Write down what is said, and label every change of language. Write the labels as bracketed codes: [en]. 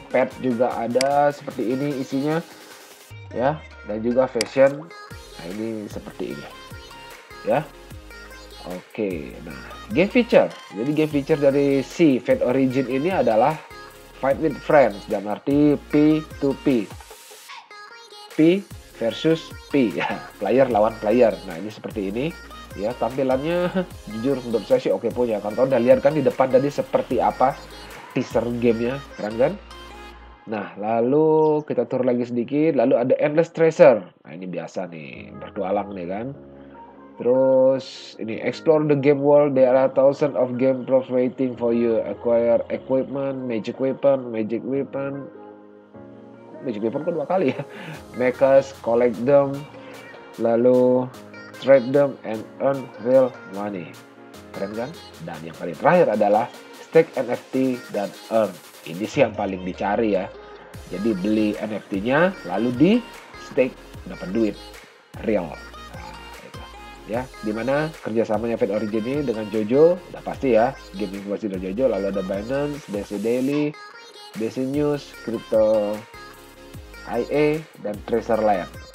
[id] Pet juga ada seperti ini isinya. Ya, dan juga fashion. Nah, ini seperti ini. Ya. Oke. Nah, game feature. Jadi game feature dari si Fate Origin ini adalah [en] fight with friends, [id] dalam arti P2P. P versus P ya, player lawan player. Nah, ini seperti ini. Ya, tampilannya jujur menurut saya sih oke punya. Kan kalian udah lihat kan di depan tadi seperti apa teaser gamenya, keren kan? Nah, lalu kita turun lagi sedikit, lalu ada Endless Treasure. Nah, ini biasa nih, bertualang nih kan. Terus ini [en] explore the game world, there are thousands of game props waiting for you. Acquire equipment, magic weapon, magic weapon. Magic weapon [id] kok 2 kali ya. [en] Makers, collect them. Lalu trade them and earn real money. [id] Keren kan? Dan yang paling terakhir adalah stake NFT dan earn. Ini sih yang paling dicari ya. Jadi beli NFT-nya lalu di stake dapat duit real. Nah, ya, di mana kerjasamanya Fate Origin ini dengan Jojo, udah pasti ya, game inkubasi dari Jojo, lalu ada Binance, BC Daily, BC News, Crypto IA dan Treasure Lab.